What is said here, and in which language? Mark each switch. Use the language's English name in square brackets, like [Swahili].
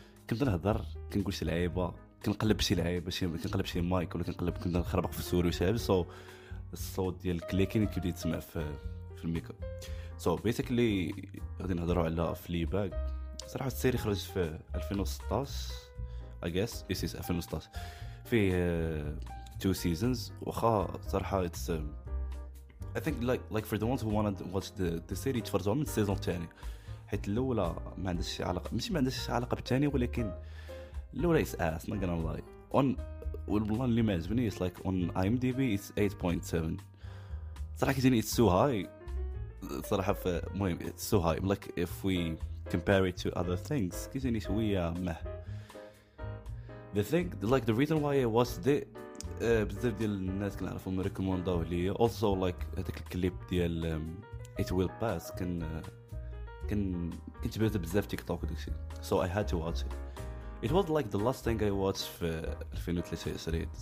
[Arabic] كنت نهضر كنقول شي لعيبة كنقلب شي لعيبة شي كنقلب شي مايك ولا كنقلب كنت نخربق في السوري وشي. So, الصوت ديال الكليكين كيبدي تسمع في الميكرو. So, basically غادي نهضروا على Fleabag. صراحة السيري خرج في 2016 [English] I guess. This is 2016. في two seasons. [Arabic] وخا صراحة [English] it's I think like for the ones who wanna watch the series, for the moment, season 2. [Arabic] حيت الأولى ما عندهاش شي علاقة ماشي ما عندهاش شي علاقة بالثاني ولكن الأولى [English] is ass, not gonna lie. On [Arabic] والله اللي ما عجبني [English] is like on IMDb it's 8.7. [Arabic] صراحة كيجيني [English] it's so high. [Arabic] صراحة مهم [English] it's so high. Like if we compare it to other things, [Arabic] كيجيني شوية [English] meh. The thing, like the reason why I watched it, [Arabic] بزاف ديال الناس كنعرفهم ريكومونداو ليا. [English] Also like [Arabic] هذاك الكليب ديال [English] it will pass [Arabic] كنت بزاف بزاف تيك توك داكشي. [English] So I had to watch it. It was like the last thing I watched في 2023.